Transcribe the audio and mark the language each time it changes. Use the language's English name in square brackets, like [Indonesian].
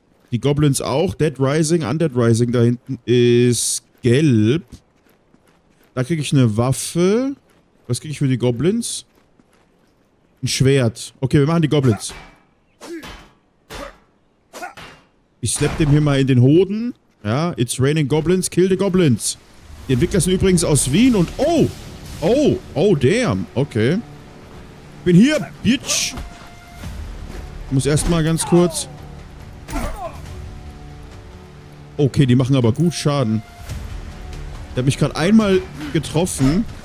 [German] Die Goblins auch. Dead Rising, Undead Rising da hinten ist gelb. Da kriege ich eine Waffe. Was kriege ich für die Goblins? Ein Schwert. Okay, wir machen die Goblins. Ich slapp dem hier mal in den Hoden. [English] Ja, it's raining goblins, kill the goblins. [German] Die Entwickler sind übrigens aus Wien und... Oh! Oh! Oh, damn! Okay. Bin hier, bitch! Muss erstmal ganz kurz... Okay, die machen aber gut Schaden. Der hat mich gerade einmal getroffen.